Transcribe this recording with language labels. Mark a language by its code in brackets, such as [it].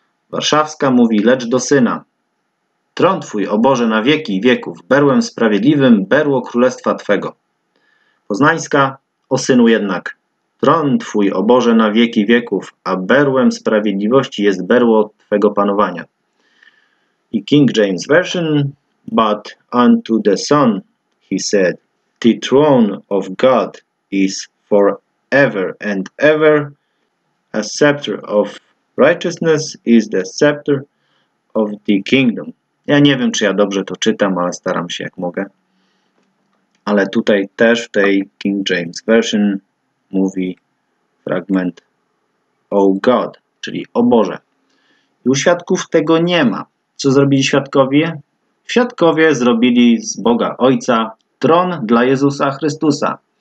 [pl] Warszawska mówi, lecz do Syna. Tron Twój, o Boże, na wieki wieków, berłem sprawiedliwym, berło Królestwa Twego. Poznańska, o Synu jednak. Tron Twój, o Boże, na wieki wieków, a berłem sprawiedliwości jest berło Twego panowania. [en] I King James Version, but unto the Son he said, the throne of God is forever and ever, a scepter of righteousness is the scepter of the kingdom. [pl] Ja nie wiem, czy ja dobrze to czytam, ale staram się jak mogę. Ale tutaj też w tej King James Version mówi fragment O God, czyli O Boże. I u świadków tego nie ma. Co zrobili świadkowie? Świadkowie zrobili z Boga Ojca tron dla Jezusa Chrystusa.